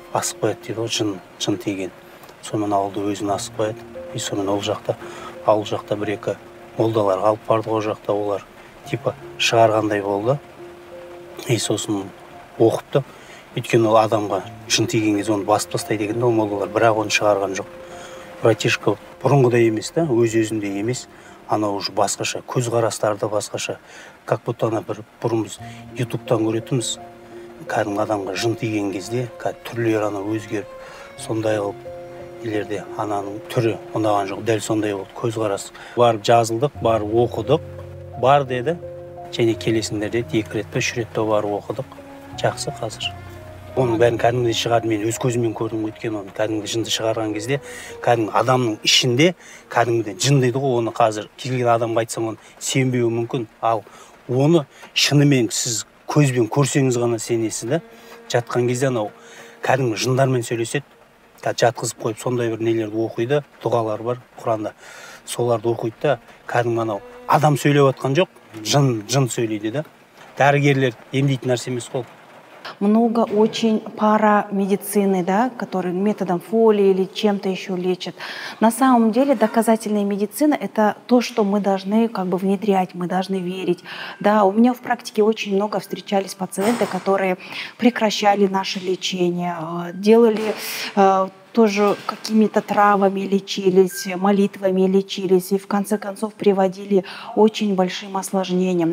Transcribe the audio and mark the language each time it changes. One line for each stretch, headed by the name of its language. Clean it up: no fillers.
Kazakh: Асық қойады дейді, ол жын тиген. Сонымен алды өзін асық қойады. И сонымен ол жақта, ал жақта бір-екі молдалар қалып барды, ол жақта олар типа шығарғандай болды. И сосын оқыпты. Өйткені ол адамға жын тиген кезде оны басып тастай дегенде, ол молдалар бірақ оны шығарған жоқ. Братишка бұрынғыдай емес, да? Өз-өзінде емес. Ана уже басқаша, көзқарастарды басқаша.
Russian: Как будто
Kazakh: ана бір бұрымыз YouTube-тан көретіміз. Кәдің адамға жын тиген кезде, кәді түрлер ана өзгеріп, сондай қылып, елерде ананың түрі ұнаған жоқ, дәл сондай болды, көзқарасы. Барып жазылдық, барып оқыдық, бар деді, және келесіндер деді, екі рет, үш рет барып оқыдық, жақсы қазір. Оның бәрін кәдімгі шығарды, мен өз көзімен көрдім өткен оны, кәдімгі жынды шығарған кезде, кәдімгі адамның ішінде, кәдімгі жын дейді ғой, оны қазір келген адамға айтсам, оны сенбеуі мүмкін, ал оны шынымен сіз көзбен көрсеңіз ғана сенесіз, да? Жатқан кезде анау кәдімгі жындармен сөйлеседі, кәдімгі жатқызып қойып, сондай бір нелерді оқиды, дұғалар бар Құранда, соларды оқиды да, кәдімгі анау адам сөйлеп отқан жоқ, жын сөйлейді, да? Дәрігерлер емдейтін нәрсе емес қой.
Russian: Много очень парамедицины, да, которые методом Фоли или чем-то еще лечат. На самом деле доказательная медицина – это то, что мы должны как бы внедрять, мы должны верить. Да, у меня в практике очень много встречались пациенты, которые прекращали наше лечение, делали тоже какими-то травами лечились, молитвами лечились и в конце концов приводили очень большим осложнениям.